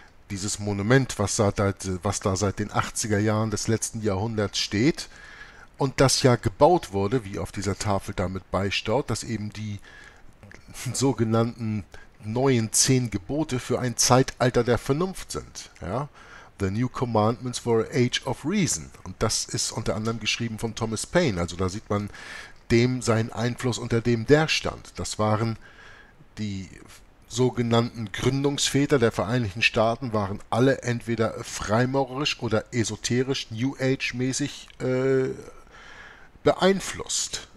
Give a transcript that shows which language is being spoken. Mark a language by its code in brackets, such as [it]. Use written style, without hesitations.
[de] Dieses Monument, was da seit den 80er Jahren des letzten Jahrhunderts steht und das ja gebaut wurde, wie auf dieser Tafel damit beistaut, dass eben die sogenannten neuen 10 Gebote für ein Zeitalter der Vernunft sind. Ja? [en] The New Commandments for Age of Reason. [de] Und das ist unter anderem geschrieben von Thomas Paine. Also da sieht man dem seinen Einfluss, unter dem der stand. Das waren die sogenannten Gründungsväter der Vereinigten Staaten, waren alle entweder freimaurerisch oder esoterisch, New Age-mäßig beeinflusst.